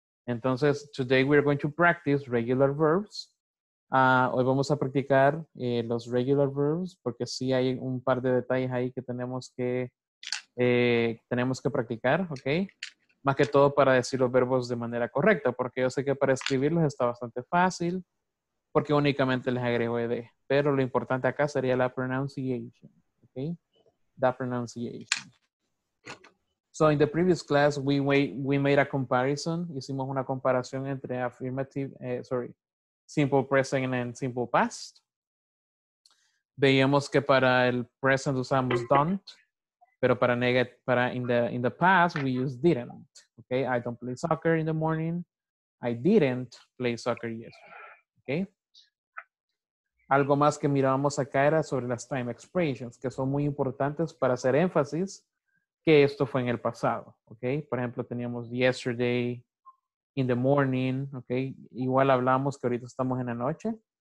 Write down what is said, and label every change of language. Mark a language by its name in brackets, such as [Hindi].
[English] Entonces, today we're going to practice regular verbs. [Spanish] Hoy vamos a practicar los regular verbs porque sí hay un par de detalles ahí que tenemos que practicar, ¿ok? Más que todo para decir los verbos de manera correcta, porque yo sé que para escribirlos está bastante fácil, porque únicamente les agrego ED. Pero lo importante acá sería la pronunciation, ¿ok? [English] The pronunciation. So in the previous class we made a comparison, hicimos una comparación entre affirmative, simple present and simple past. [Spanish] Veíamos que para el present usamos don't, pero para in the past we use didn't. [English] Okay, I don't play soccer in the morning. I didn't play soccer yesterday. Okay. [Spanish] Algo más que mirábamos acá era sobre las time expressions, que son muy importantes para hacer énfasis que esto fue en el pasado. Okay. Por ejemplo, teníamos yesterday, in the morning. Okay. Igual hablamos que ahorita estamos en la noche.